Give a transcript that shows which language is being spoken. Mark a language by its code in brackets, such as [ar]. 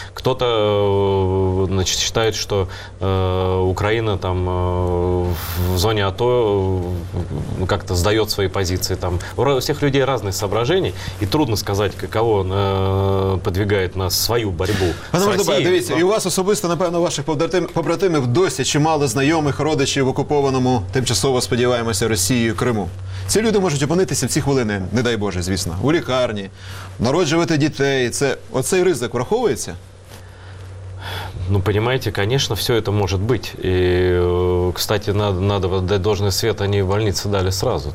[ru] Кто-то значит, считает, что Украина там, в зоне АТО как-то сдает свои позиции. Там. У всех людей разные соображения, и трудно сказать, каково он подвигает на свою борьбу потому с Россией. [uk] Добавить, дивіться, но... И у вас особисто, напевно, ваших побратимів досі чимало знайомих, родичів в окупованому, тимчасово сподіваємося, Росією, Криму. Ці люди можуть опинитися в ці хвилини, не дай Боже, звісно, у лікарні, народжувати дітей. Оцей ризик враховується? [ru] Ну, понимаете, конечно, все это может быть. И, кстати, надо отдать должное свет, они в больнице дали сразу.